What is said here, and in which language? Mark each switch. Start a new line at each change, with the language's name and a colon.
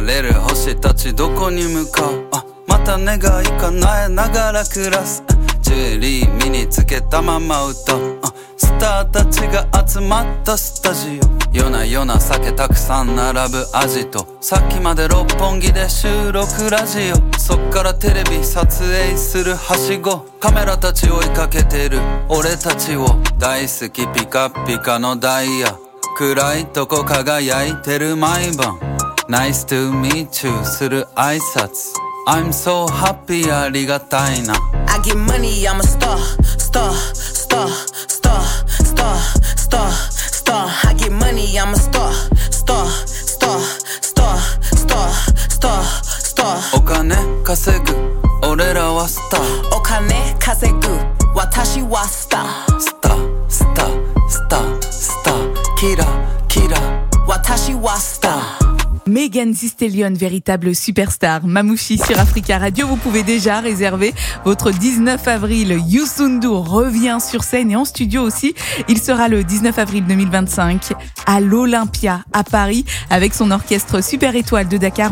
Japanese: 流れる星たちどこに向かう、あまた願い叶えながら暮らす、ジュエリー身につけたまま歌う、あスターたちが集まったスタジオ、夜な夜な酒たくさん並ぶアジト、さっきまで六本木で収録ラジオ、そっからテレビ撮影するはしご、カメラたち追いかけてる俺たちを、大好きピカピカのダイヤ、暗いとこ輝いてる毎晩、
English: Nice to meet you
Japanese: する挨拶、
English: I'm so happy
Japanese: ありがたいな。
English: I get money, I'm a star, star, star, star, star, star, star. I get money, I'm a star, star, star, star, star, star, star.
Japanese: お金稼ぐ俺らはスター。お金稼ぐ私はスター。スター、スター、スター、スター、キラキラ私はスター。
French: Megan Thee Stallion, véritable superstar. Mamouchi sur Africa Radio, vous pouvez déjà réserver votre 19 avril. Youssoundou revient sur scène et en studio aussi. Il sera le 19 avril 2025 à l'Olympia à Paris avec son orchestre Super Étoile de Dakar.